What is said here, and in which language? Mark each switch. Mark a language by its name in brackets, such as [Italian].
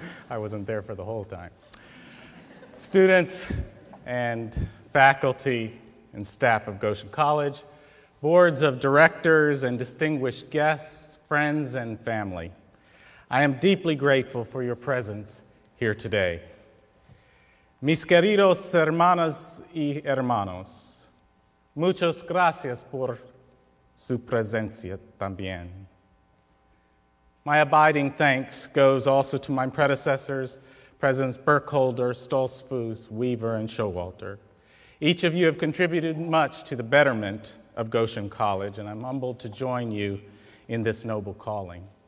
[English] I wasn't there for the whole time. Students and faculty and staff of Goshen College, boards of directors and distinguished guests, friends and family, I am deeply grateful for your presence here today. [Spanish] Mis queridos hermanas y hermanos, muchas gracias por su presencia también. [English] My abiding thanks goes also to my predecessors, Presidents Burkholder, Stolzfus, Weaver, and Showalter. Each of you have contributed much to the betterment of Goshen College, and I'm humbled to join you in this noble calling.